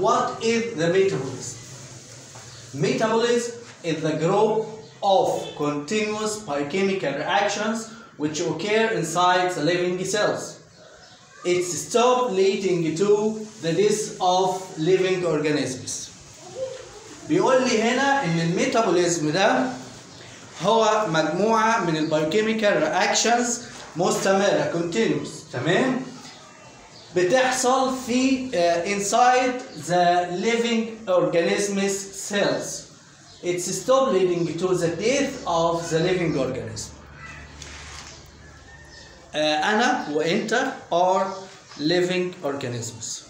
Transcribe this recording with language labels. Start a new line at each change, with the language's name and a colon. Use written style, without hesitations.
English: What is the metabolism? Metabolism is the group of continuous biochemical reactions which occur inside the living cells. It stops leading to the death of living organisms.
Arabic: بيقول لي هنا ان الميتابوليزم ده هو مجموعة من البيوكيميكال رياكشنز مستمرة continuous, تمام, بتحصل في
English: inside the living organisms cells. It stops leading to the death of the living organism.
Arabic: أنا وأنت
English: are living organisms.